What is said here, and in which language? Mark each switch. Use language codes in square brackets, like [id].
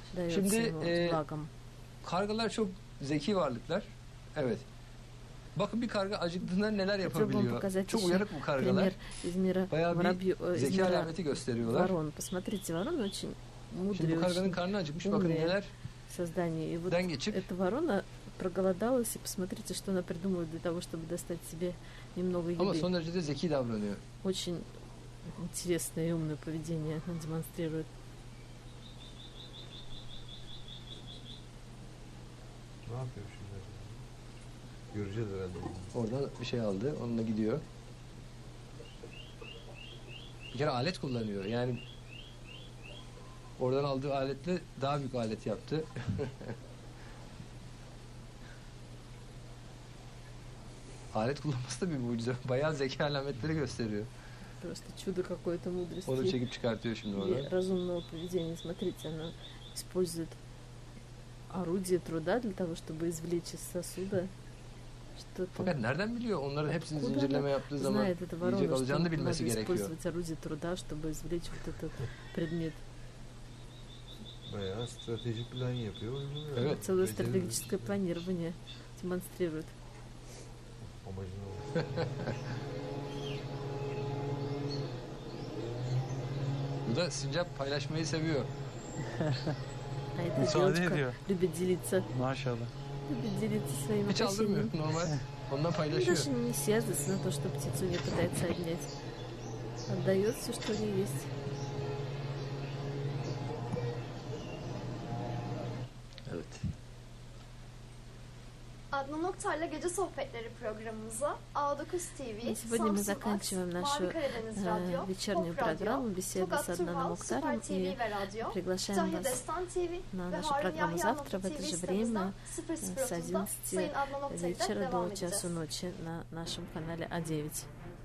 [tr] Şimdi kargalar çok zeki varlıklar. Evet. Bakın bir karga acıktığında neler yapabiliyor. Çok uyanık bu kargalar. Bayağı bir zeki alameti gösteriyorlar. Şimdi bu karganın karnı acıkmış. Bakın neler den geçip. [ru] Проголодалась и посмотрите, что она придумывает для того, чтобы достать себе немного еды. [tr] Ama son derecede zeki davranıyor. [ru] Очень интересное и умное поведение она демонстрирует. [tr] Ne yapıyor şimdi? Göreceğiz herhalde. Oradan bir şey aldı, onunla gidiyor. Bir kere alet kullanıyor, yani oradan aldığı aletle daha büyük alet yaptı. Alet kullanması da bir mucize. Bayağı zeka alametleri gösteriyor. [ru] Просто чудо какое-то мудрости. [tr] Onu çekip çıkartıyor şimdi orada. [ru] Разумное поведение. Смотрите, она использует орудие труда для того, чтобы извлечь из сосуда что-то. [tr] Fakat nereden biliyor? Onların hepsini [ru] куда [tr] zincirleme yaptığı zaman yiyecek alacağını da bilmesi gerekiyor. [ru] Использовать орудие труда, чтобы извлечь вот этот предмет. [tr] Bayağı stratejik plan yapıyor. Evet. Evet. [ru] Целое стратегическое планирование демонстрирует. [tr] Bu da sincap paylaşmayı seviyor. Müsaade ediyor. [ru] Любит делиться. [tr] Maşallah. [ru] Любит делиться своим опасением. [tr] Hiç almıyor normal. Ondan paylaşıyor. [ru] Даже не сердится на то, что птицу не пытается отнять. Отдает все, что у нее есть. [tr] Evet. Adnan Oktar'la Gece Sohbetleri programımızı A9 TV, Samsung Max, Mavi Karadeniz Radyo, Pop Radyo, Tokat Turbal, Süper TV ve Radyo, Cahil Destan TV ve Harun Yahya Nota TV sitemizden 00.30'da Sayın Adnan Oktar'la devam edeceğiz. [ru] Вечера до часу ночи на нашем канале А9.